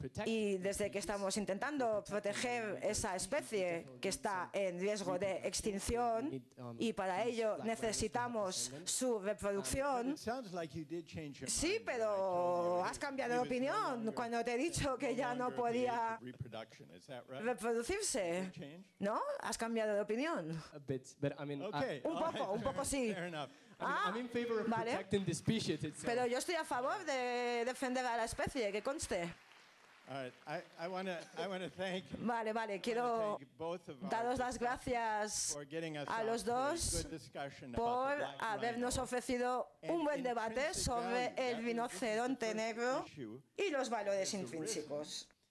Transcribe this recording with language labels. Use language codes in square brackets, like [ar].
[es] Y desde que estamos intentando proteger esa especie que está en riesgo de extinción y para ello necesitamos su reproducción. Sí, pero has cambiado de opinión cuando te he dicho que ya no podía reproducirse. ¿No? ¿Has cambiado de opinión? Un poco sí. [en] I'm in favor of protecting the species itself. [es] Pero yo estoy a favor de defender a la especie, que conste. [en] I want to thank [es] quiero daros las gracias a los dos por habernos ofrecido un buen debate sobre el rinoceronte negro y los valores intrínsecos.